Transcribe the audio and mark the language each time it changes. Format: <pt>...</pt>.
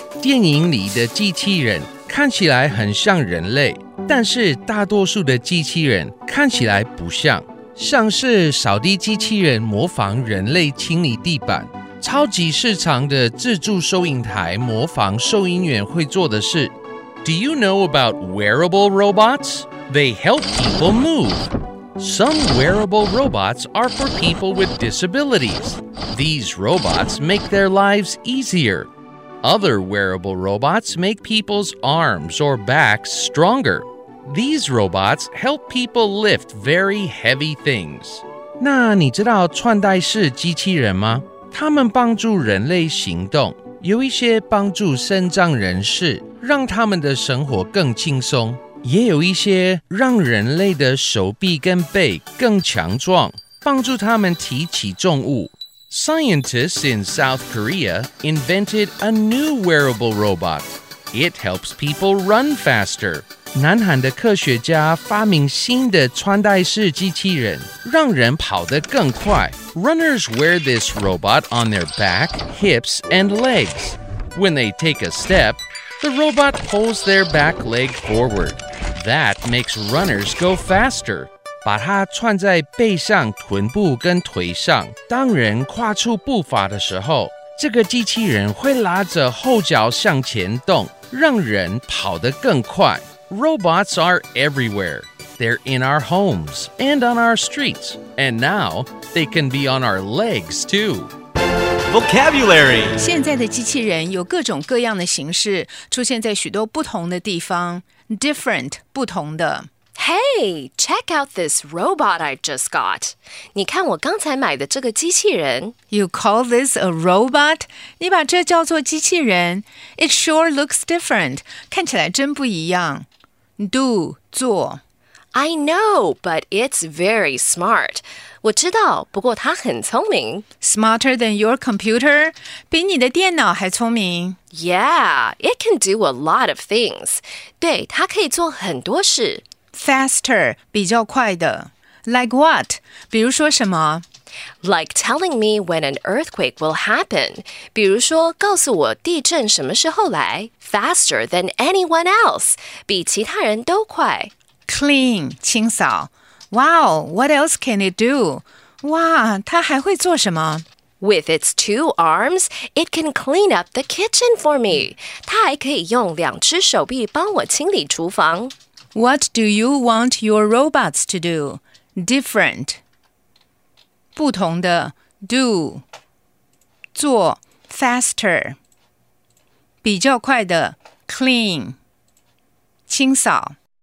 <zh>电影里的机器人看起来很像人类，但是大多数的机器人看起来不像，像是扫地机器人模仿人类清理地板。超级市场的自助收银台模仿收银员会做的事。</zh> <en>Do you know about wearable robots? They help people move. Some wearable robots are for people with disabilities. These robots make their lives easier. Other wearable robots make people's arms or backs stronger. These robots help people lift very heavy things.</en> <zh>那你知道穿戴式机器人吗？它们帮助人类行动，有一些帮助身障人士，让他们的生活更轻松，也有一些让人类的手臂跟背更强壮，帮助他们提起重物。</zh> <en>Scientists in South Korea invented a new wearable robot. It helps people run faster.</en> <zh>南韩的科学家发明新的穿戴式机器人，让人跑得更快。</zh> <en>Runners wear this robot on their back, hips, and legs. When they take a step, the robot pulls their back leg forward. That makes runners go faster.</en> <zh>把它穿在背上、臀部跟腿上。当人跨出步伐的时候，这个机器人会拉着后脚向前动，让人跑得更快。</zh> <en>Robots are everywhere. They're in our homes and on our streets. And now... They can be on our legs too. Vocabulary.</en> <zh>现在的机器人有各种各样的形式，出现在许多不同的地方。</zh> <en>Different,</en> <zh>不同的。</zh> <en>Hey, check out this robot I just got.</en> <zh>你看我刚才买的这个机器人。</zh> <en>You call this a robot?</en> <zh>你把这叫做机器人。</zh> <en>It sure looks different.</en> <zh>看起来真不一样。</zh> <en>Do,</en> <zh>做。</zh> <en>I know, but it's very smart.</en> <zh>我知道，不过它很聪明。</zh> <en>Smarter than your computer?</en> <zh>比你的电脑还聪明。</zh> <en>Yeah, it can do a lot of things.</en> <zh>对，它可以做很多事。</zh> <en>Faster,</en> <zh>比较快的。</zh> <en>Like what?</en> <zh>比如说什么？</zh> <en>Like telling me when an earthquake will happen.</en> <zh>比如说告诉我地震什么时候来。</zh> <en>Faster than anyone else.</en> <zh>比其他人都快。</zh> <en>Clean,</en> <zh>清扫。</zh> <en>Wow, what else can it do?</en> <zh>哇，它还会做什么？</zh> <en>With its two arms, it can clean up the kitchen for me.</en> <zh>它还可以用两只手臂帮我清理厨房。</zh> <en>What do you want your robots to do? Different.</en> <zh>不同的。</zh> <en>Do.</en> <zh>做。</zh> <en>Faster.</en> <zh>比较快的。</zh> <en>Clean.</en> <zh>清扫。</zh>